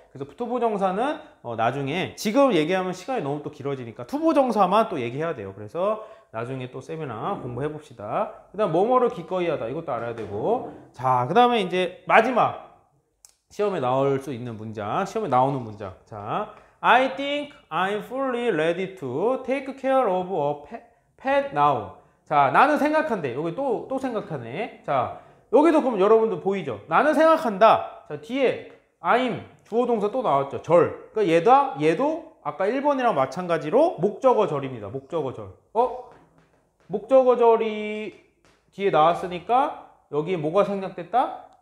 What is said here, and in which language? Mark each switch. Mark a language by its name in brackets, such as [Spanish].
[Korean] 그래서 투부정사는 나중에 지금 얘기하면 시간이 너무 또 길어지니까 투부정사만 또 얘기해야 돼요. 그래서 나중에 또 세미나 공부해 봅시다. 그다음 뭐뭐를 기꺼이 하다. 이것도 알아야 되고. 자, 그다음에 이제 마지막 시험에 나올 수 있는 문장. 시험에 나오는 문장. [English] 자, I think I'm fully ready to take care of a pet now. [Korean] 자, 나는 생각한대. 여기 또 생각하네. 자, 여기도 그럼 여러분들 보이죠? 나는 생각한다. 자, 뒤에 I'm 주어동사 또 나왔죠. 절. 그러니까 얘도 아까 1번이랑 마찬가지로 목적어 절입니다. 목적어 절. 목적어 절이 뒤에 나왔으니까 여기에 뭐가 생략됐다?